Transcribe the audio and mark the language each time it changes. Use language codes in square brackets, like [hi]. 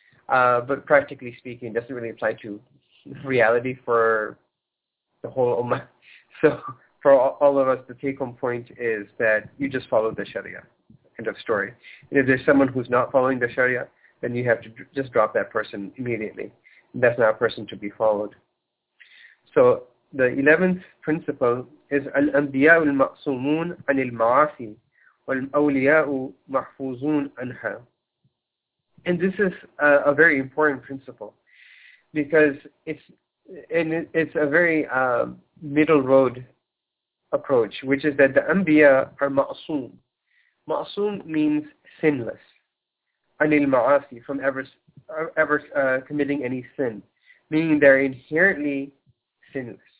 [en] But practically speaking, it doesn't really apply to reality for the whole Ummah. So for all of us, the take-home point is that you just follow the Sharia, end of story. And if there's someone who's not following the Sharia, then you have to just drop that person immediately. And that's not a person to be followed. So the 11th principle is [ar] الأنبياء المعصومون عن المعاصي والأولياء محفوظون عنها. [en] And this is a very important principle, because it's a very middle road approach, which is that the Anbiya are ma'asum. Ma'asum means sinless, anil ma'asi, from ever committing any sin, meaning they're inherently sinless.